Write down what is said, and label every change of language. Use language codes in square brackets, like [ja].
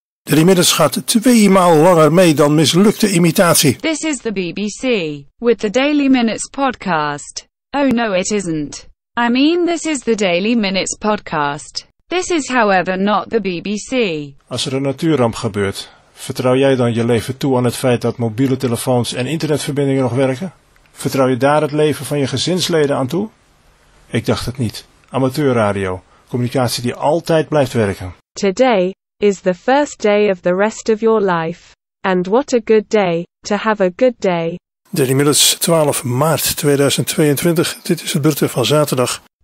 [nl] Er inmiddels gaat twee maal langer mee dan mislukte imitatie. [en] This is the BBC, with the Daily Minutes podcast. Oh no, it isn't. I mean, this is the Daily Minutes podcast. This is however not the BBC. [nl] Als er een natuurramp gebeurt, vertrouw jij dan je leven toe aan het feit dat mobiele telefoons en internetverbindingen nog werken? Vertrouw je daar het leven van je gezinsleden aan toe? Ik dacht het niet. Amateurradio, communicatie die altijd blijft werken. [en] Today is the first day of the rest of your life. And what a good day, to have a good day. [nl] Daily Minutes, 12 maart 2022. Dit is het bulletin van zaterdag.